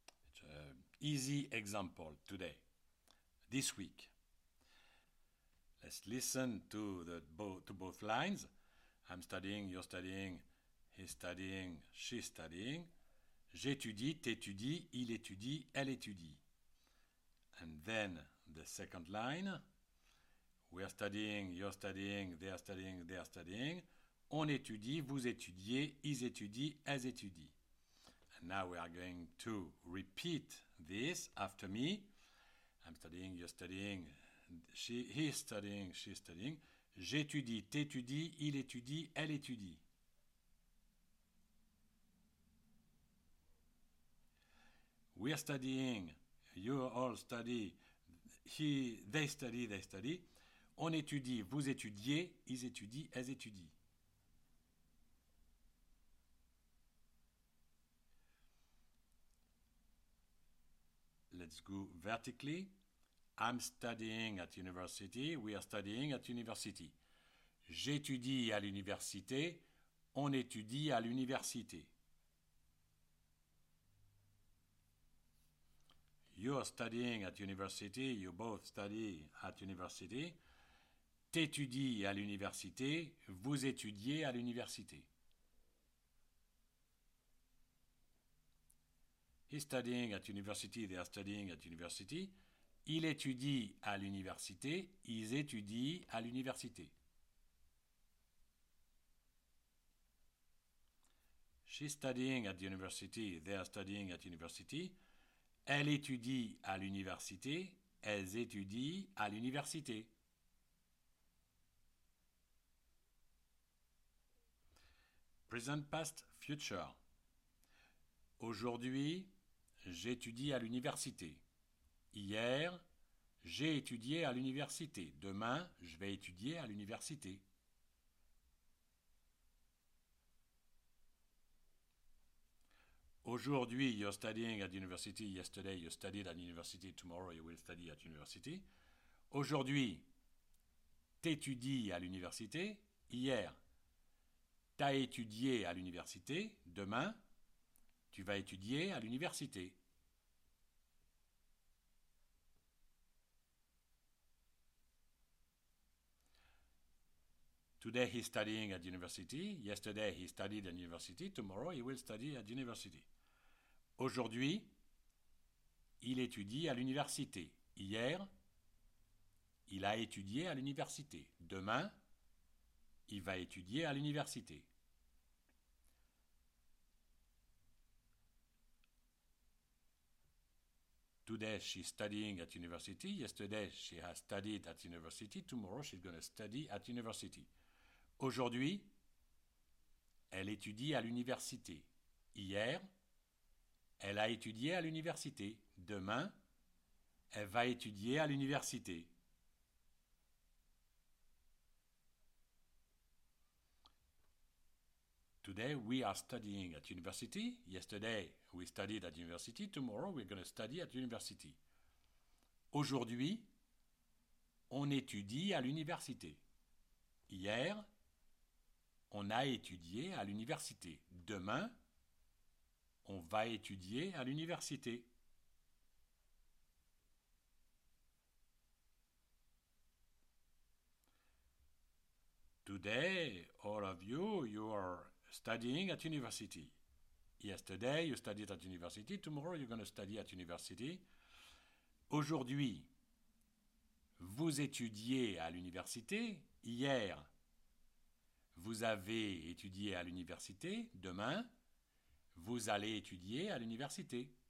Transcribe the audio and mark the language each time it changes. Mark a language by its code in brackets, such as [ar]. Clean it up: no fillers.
[en] It's an easy example today, this week. Let's listen to both lines. I'm studying, you're studying. He's studying, she's studying. [fr] J'étudie, t'étudies, il étudie, elle étudie. [en] And then the second line. We are studying, you're studying, they are studying, they are studying. [fr] On étudie, vous étudiez, ils étudient, elles étudient. [en] And now we are going to repeat this after me. I'm studying, you're studying, he's studying, she's studying. [fr] J'étudie, t'étudies, il étudie, elle étudie. [en] We are studying, you all study, they study, [fr] on étudie, vous étudiez, ils étudient, elles étudient. [en] Let's go vertically. I'm studying at university, we are studying at university. [fr] J'étudie à l'université, on étudie à l'université. [en] You are studying at university, you both study at university. [fr] T'étudies à l'université, vous étudiez à l'université. [en] He's studying at university, they are studying at university. [fr] Il étudie à l'université, ils étudient à l'université. [en] She's studying at university, they are studying at university. [fr] Elle étudie à l'université, elles étudient à l'université. [en] Present past future. [fr] Aujourd'hui, j'étudie à l'université. Hier, j'ai étudié à l'université. Demain, je vais étudier à l'université. Aujourd'hui, [en] you're studying at university. Yesterday, you studied at university. Tomorrow, you will study at university. [fr] Aujourd'hui, t'étudies à l'université. Hier, t'as étudié à l'université. Demain, tu vas étudier à l'université. [en] Today, he's studying at university. Yesterday, he studied at university. Tomorrow, he will study at university. [fr] Aujourd'hui, il étudie à l'université. Hier, il a étudié à l'université. Demain, il va étudier à l'université. [en] Today, she's studying at university. Yesterday, she has studied at university. Tomorrow, she's going to study at university. [fr] Aujourd'hui, elle étudie à l'université. Hier, elle a étudié à l'université. Demain, elle va étudier à l'université. [en] Today we are studying at university. Yesterday we studied at university. Tomorrow we're going to study at university. [fr] Aujourd'hui, on étudie à l'université. Hier, on a étudié à l'université. Demain, on va étudier à l'université. [en] Today, all of you are studying at university. Yesterday, you studied at university. Tomorrow, you're going to study at university. [fr] Aujourd'hui, vous étudiez à l'université. Hier, vous avez étudié à l'université. Demain, vous allez étudier à l'université.